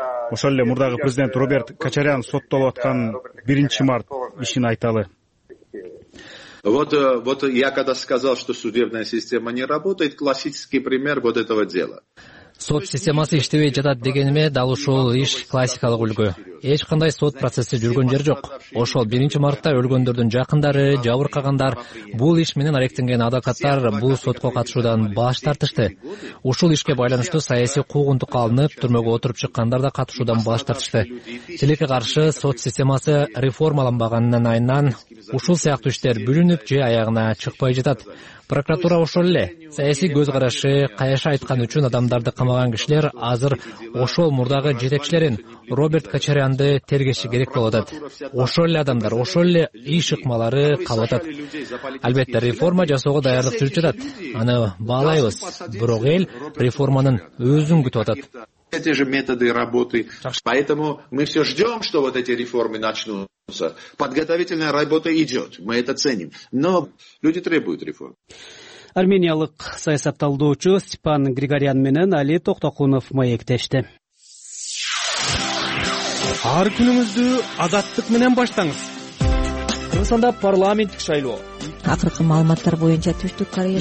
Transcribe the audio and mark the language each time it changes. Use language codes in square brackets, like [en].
[ky] Ошол эле мурдагы президент Роберт Качарян соттолуп аткан 1 март ишин айталы. [ru] Вот я когда сказал, что судебная система не работает, классический пример вот этого дела. [ky] Сот системасы иштебей жатат дегениме дал ушул иш классикалык үлгү. Эч кандай сот процесси жүргөн жер жок. Ошол 1 мартта өлгөндөрдүн жакындары, жабыркагандар, бул иш менен алектенген адвокаттар бул сотко катышуудан баш тартышты. Ушул ишке байланыштуу саясий куугунтукка алынып, түрмөгө отуруп чыккандар да катышуудан баш тартышты. Тилекке каршы сот системасы реформаланбаганынан айынан ушул сыяктуу иштер бүлүнүп же аягына чыкпай жатат. Прокуратура ошол эле. Саясий көз карашы, каяша айткан үчүн адамдарды камаган кишилер азыр ошол мурдагы жетекчилерин Роберт Качарянды тергеши керек болуп атат. Ошол эле адамдар, ошол эле иш ыкмалары кабыл атат. Албетте, реформа жасоого даярдык жүрүп жатат. Аны баалайбыз. Бирок эл реформанын өзүн күтүп атат. [ru] Эти же методы работы. Поэтому мы все ждем, что вот эти реформы начнутся. Подготовительная работа идет. Мы это ценим. Но люди требуют реформ. [ky] Армениялык саясат талдоочу Степан Григориян менен Али Токтокунов маектешти. Ар күнүңүздү азаттык менен баштаңыз. Кыргызстанда парламенттик шайлоо. Акыркы маалыматтар боюнча Түштүк Корея